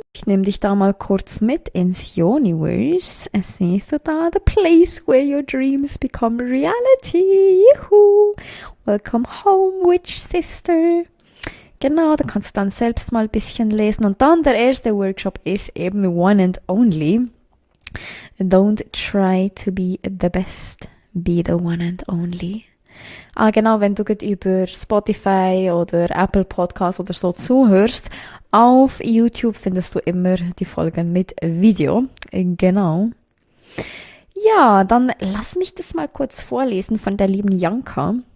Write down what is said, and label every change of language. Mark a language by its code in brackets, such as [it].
[de] Ich nehme dich da mal kurz mit ins Universe. Es siehst du da, [en] the place where your dreams become reality. [de] Juhu! [en] Welcome home, [de] Witch Sister. Genau, da kannst du dann selbst mal ein bisschen lesen. Und dann der erste Workshop ist eben One and Only. [en] Don't try to be the best, be the One and Only. [de] Ah, genau, wenn du gerade über Spotify oder Apple Podcast oder so zuhörst, auf YouTube findest du immer die Folgen mit Video. Genau. Ja, dann lass mich das mal kurz vorlesen von der lieben Janka.